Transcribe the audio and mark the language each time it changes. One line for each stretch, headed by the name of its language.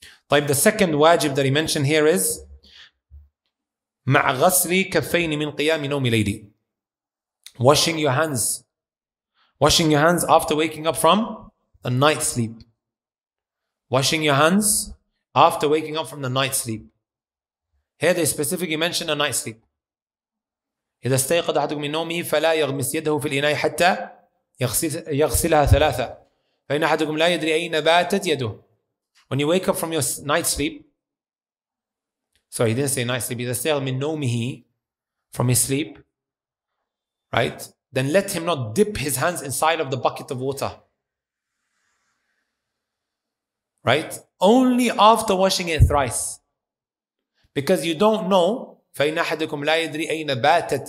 English: طيب, the second wajib that he mentioned here is
Arabic: مع غسل كفين من قيام نوم ليلي.
English: Washing your hands. Washing your hands after waking up from a night sleep. Washing your hands after waking up from the night sleep. Here they specifically mention a night sleep.
Arabic: إذا استيقظ أحدكم من نومه فلا يغمس يده في الإناء حتى يغسلها ثلاثة. فإن أحدكم لا يدري أين باتت يده.
English: When you wake up from your night sleep, sorry, he didn't say night sleep,
Arabic: إذا استيقظ من نومه,
English: from his sleep, right? Then let him not dip his hands inside of the bucket of water. Right? Only after washing it thrice. Because you don't know,
Arabic: فَإِنَّ أَحَدَكُمْ لَا يَدْرِي أَيْنَ بَاتَتْ.